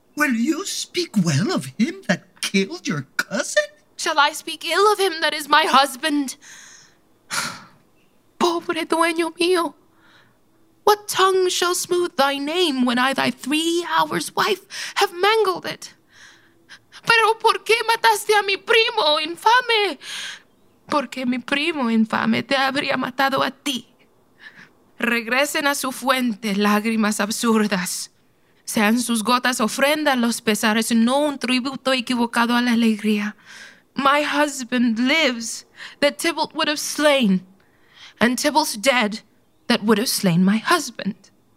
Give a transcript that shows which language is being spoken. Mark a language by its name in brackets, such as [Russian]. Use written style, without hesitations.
[English] Will you speak well of him that killed your cousin? Shall I speak ill of him that is my husband? [Spanish] Pobre dueño mío, [English] what tongue shall smooth thy name when I, thy 3 hours' wife, have mangled it? [Spanish] Pero por qué mataste a mi primo infame? Porque mi primo infame te habría matado a ti. Regresen a su fuente lágrimas absurdas. Sean sus gotas ofrenda a los pesares, no un tributo equivocado a la alegría. [English] My husband lives that Tybalt would have slain, and Tybalt's dead that would have slain my husband.